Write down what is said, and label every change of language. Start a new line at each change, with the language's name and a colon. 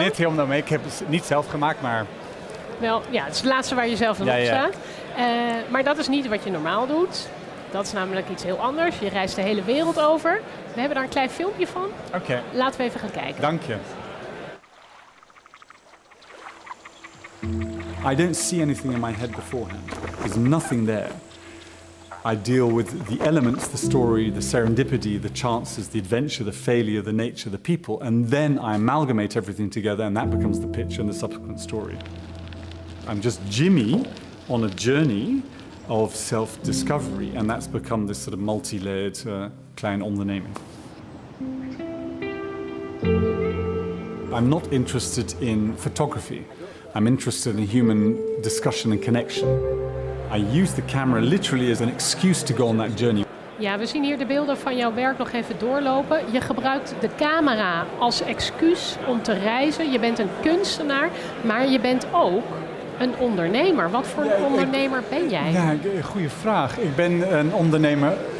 Dutch: Net heel mee. Ik heb het niet zelf gemaakt, maar... Wel, ja, het is het laatste waar je zelf in op staat. Maar dat is niet wat je normaal doet. Dat is namelijk iets heel anders. Je reist de hele wereld over. We hebben daar een klein filmpje van. Oké. Laten we even gaan kijken. Dank je.
English: I don't see anything in my head beforehand. There's nothing there. I deal with the elements, the story, the serendipity, the chances, the adventure, the failure, the nature, the people, and then I amalgamate everything together and that becomes the picture and the subsequent story. I'm just Jimmy on a journey of self-discovery and that's become this sort of multi-layered
Dutch: klein onderneming.
English: I'm not interested in photography. I'm interested in human discussion and connection. I use the camera literally as an excuse to go on that journey.
Dutch: Ja, we zien hier de beelden van jouw werk nog even doorlopen. Je gebruikt de camera als excuus om te reizen. Je bent een kunstenaar, maar je bent ook een ondernemer. Wat voor een ondernemer ben jij? Ja, goede vraag. Ik ben een ondernemer.